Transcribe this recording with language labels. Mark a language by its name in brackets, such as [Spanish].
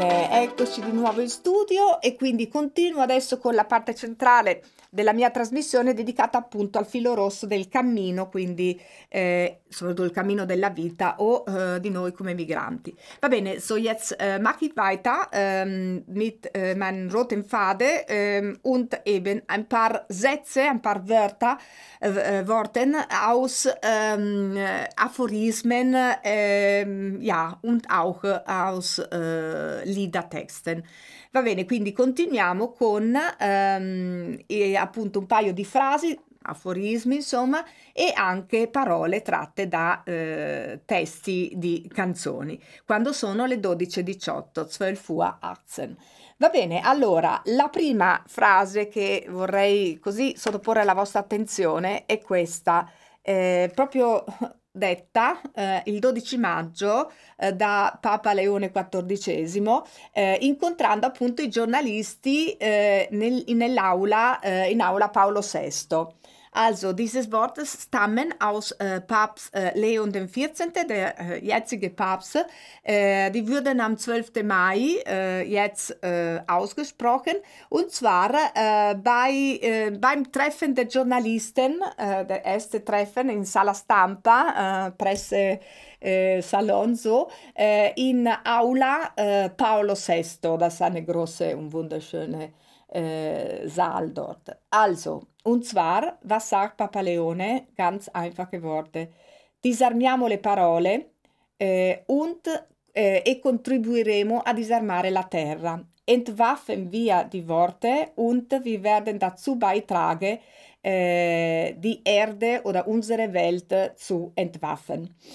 [Italian] Eccoci di nuovo in studio e quindi continuo adesso con la parte centrale della mia trasmissione dedicata appunto al filo rosso del cammino, quindi soprattutto il cammino della vita o di noi come migranti. Va bene, [German] so jetzt mache ich weiter mit meinen roten Faden und eben ein paar Sätze, ein paar Wörter, Worten aus Aphorismen ja, und auch aus Liedertexten. [Italian] Va bene, quindi continuiamo con appunto un paio di frasi, aforismi insomma, e anche parole tratte da testi di canzoni, quando sono le 12:18, [German] 12 Uhr 18. [Italian] Va bene, allora, la prima frase che vorrei così sottoporre alla vostra attenzione è questa, proprio detta il 12 maggio da Papa Leone XIV, incontrando appunto i giornalisti in aula Paolo VI. [German] Also, dieses Wort stammen aus Papst Leon dem 14., der jetzige Papst, die würden am 12. Mai jetzt ausgesprochen, und zwar beim Treffen der Journalisten, der erste Treffen in Sala Stampa, Presse Salon, so, in Aula Paolo VI, das ist eine große und wunderschöne Saal dort. Also, und zwar, was sagt Papa Leone? Ganz einfache Worte. [Italian] Disarmiamo le parole e contribuiremo a disarmare la terra. [German] Entwaffen wir die Worte und wir werden dazu beitragen, die Erde oder unsere Welt zu entwaffen.